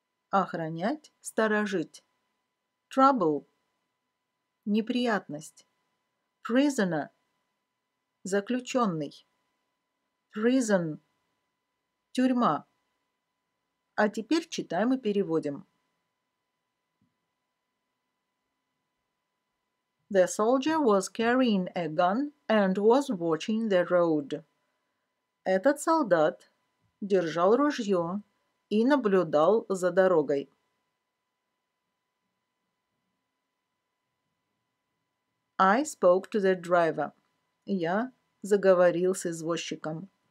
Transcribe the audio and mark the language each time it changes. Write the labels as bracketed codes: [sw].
[ru] Охранять, сторожить. [en] Trouble. [ru] Неприятность. [en] Prisoner. [ru] Заключенный. [en] Prison. [ru] Тюрьма. А теперь читаем и переводим. [en] The soldier was carrying a gun and was watching the road. [ru] Этот солдат держал ружье и наблюдал за дорогой. [en] I spoke to the driver. [ru] Я заговорил с извозчиком.